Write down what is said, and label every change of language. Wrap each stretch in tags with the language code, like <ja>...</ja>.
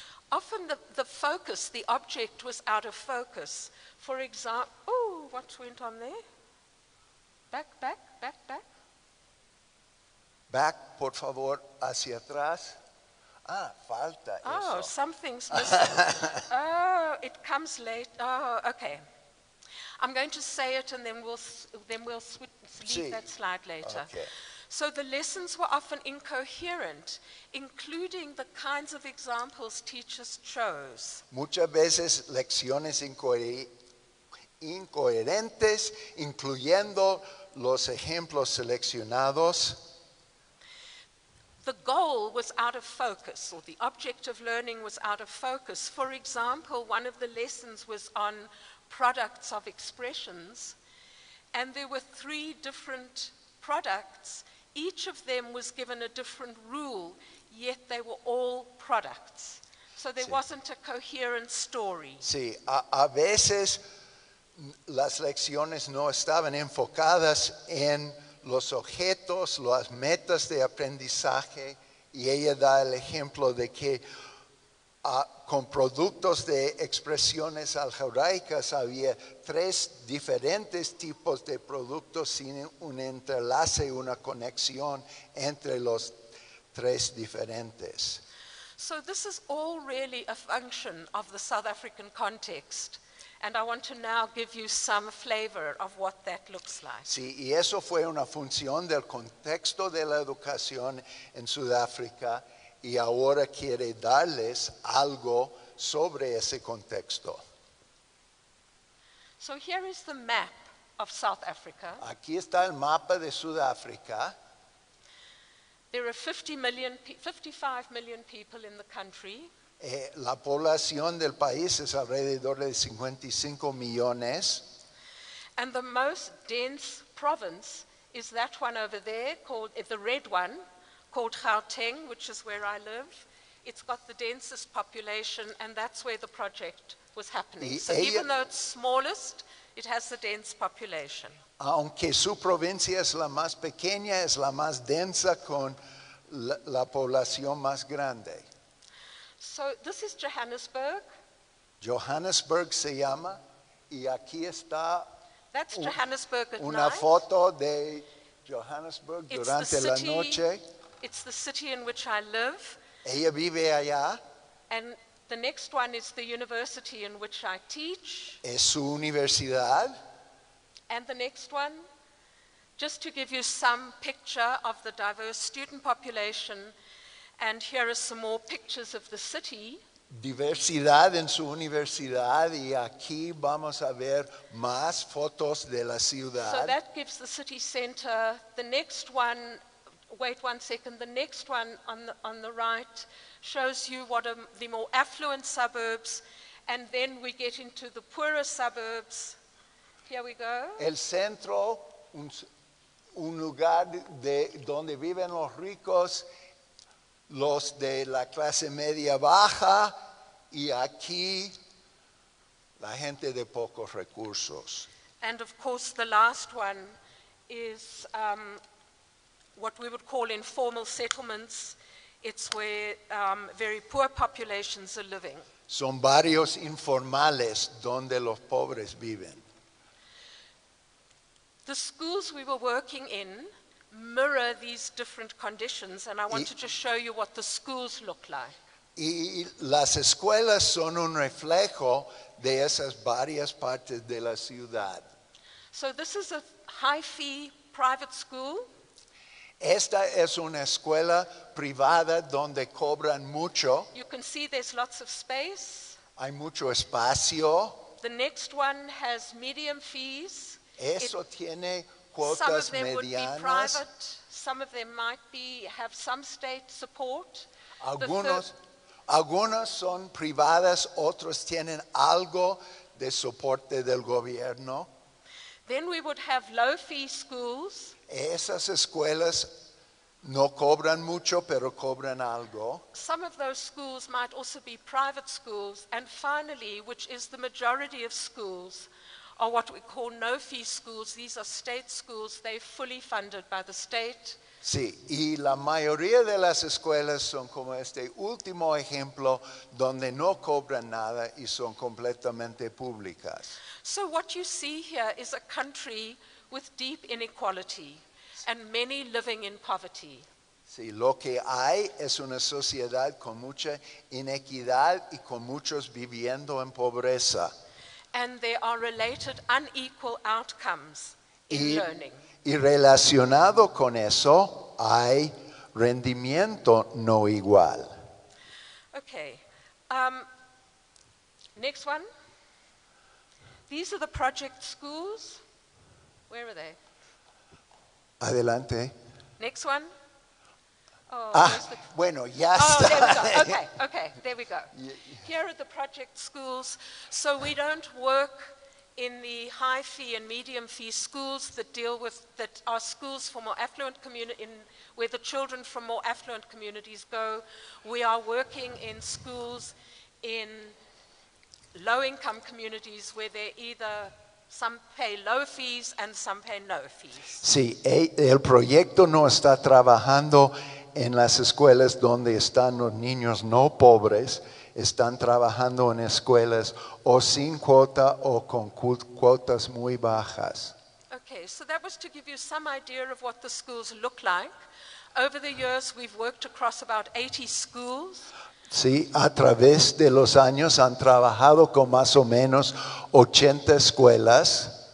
<en>Often the focus, the object, was out of focus. For example, oh, what went on there? Back. Back,</en> <es>por favor, hacia atrás. Ah, falta eso.</es> <en>Oh, something's missing. Oh, it comes late. Oh, okay. I'm going to say it and then we'll leave that slide later. Okay. So the lessons were often incoherent, including the kinds of examples teachers chose.</en> <es>Muchas veces lecciones incoherentes, incluyendo los ejemplos seleccionados.</es> <en>The goal was out of focus, or the object of learning was out of focus. For example, one of the lessons was on products of expressions, and there were three different products. Each of them was given a different rule, yet they were all products. So there wasn't a coherent story.</en> <es>Sí, a veces las lecciones no estaban enfocadas en los objetos, las metas de aprendizaje, y ella da el ejemplo de que con productos de expresiones algebraicas había tres diferentes tipos de productos sin un entrelace, una conexión entre los tres diferentes.</es> <en>So this is all really a function of the South African context. And I want to now give you some flavor of what that looks like.</en> <es>Sí, y eso fue una función del contexto de la educación en Sudáfrica, y ahora quiere darles algo sobre ese contexto.</es> <en>So here is the map of South Africa.</en> <es>Aquí está el mapa de Sudáfrica.</es> <en>There are 55 million people in the country.</en> <es>La población del país es alrededor de 55 millones.</es> <en>And the most dense province is that one over there, called the red one, called Gauteng, which is where I live. It's got the densest population, and that's where the project was happening. So even though it's smallest, it has the dense population.</en> <es>Aunque su provincia es la más pequeña, es la más densa con la población más grande.</es> <en>So this is Johannesburg.</en> <es>Johannesburg se llama, y aquí está.</es> <en>That's Johannesburg at</en> <es>una</es> <en>night.</en> <es>Foto de Johannesburg</es> <en>it's</en> <es>durante</es> <en>city,</en> <es>la noche.</es> <en>It's the city in which I live.</en> <es>Ella vive allá.</es> <en>And the next one is the university in which I teach.</en> <es>Es su universidad.</es> <en>And the next one, just to give you some picture of the diverse student population. And here are some more pictures of the city.</en> <es>Diversidad en su universidad, y aquí vamos a ver más fotos de la ciudad.</es> <en>So that gives the city center. The next one, wait one second, the next one on the right shows you what are the more affluent suburbs, and then we get into the poorer suburbs. Here we go.</en> <es>El centro, un lugar de donde viven los ricos, los de la clase media baja, y aquí la gente de pocos recursos.</es> <en>And of course the last one is what we would call informal settlements. It's where very poor populations are living.</en> <es>Son barrios informales donde los pobres viven.</es> <en>The schools we were working in mirror these different conditions, and I wanted to show you what the schools look like.</en> <es>Y las escuelas son un reflejo de esas varias partes de la ciudad.</es> <en>So this is a high-fee private school.</en> <es>Esta es una escuela privada donde cobran mucho.</es> <en>You can see there's lots of space.</en> <es>Hay mucho espacio.</es> <en>The next one has medium fees.</en> <es>Eso tiene.</es> <en>Some of them</en> <es>medianas.</es> <en>Would be private. Some of them might be have some state support.</en> <es>Algunas son privadas, otros tienen algo de soporte del gobierno.</es> <en>Then we would have low fee schools.</en> <es>Esas escuelas no cobran mucho, pero cobran algo.</es> <en>Some of those schools might also be private schools. And finally, which is the majority of schools, are what we call no-fee schools. These are state schools. They're fully funded by the state.</en> <es>Sí, y la mayoría de las escuelas son como este último ejemplo, donde no cobran nada y son completamente públicas.</es> <en>So what you see here is a country with deep inequality and many living in poverty.</en> <es>Sí, lo que hay es una sociedad con mucha inequidad y con muchos viviendo en pobreza.</es> <en>And there are related unequal outcomes in learning.</en> <es>Y relacionado con eso, hay rendimiento no igual.</es> <en>Okay. Next one. These are the project schools. Where are they?</en> <es>Adelante.</es> <en>Next one.</en> <es>Está.</es> <en>There we go. Okay, there we go. Here are the project schools. So we don't work in the high fee and medium fee schools that deal with, that are schools for more affluent communities, where the children from more affluent communities go. We are working in schools in low income communities where they either some pay low fees and some pay no fees.</en> <es>Sí, el proyecto no está trabajando en las escuelas donde están los niños no pobres. Están trabajando en escuelas o sin cuota o con cuotas muy bajas.</es> <en>Okay, so that was to give you some idea of what the schools look like. Over the years, we've worked across about 80 schools.</en> <es>Sí, a través de los años han trabajado con más o menos 80 escuelas.</es>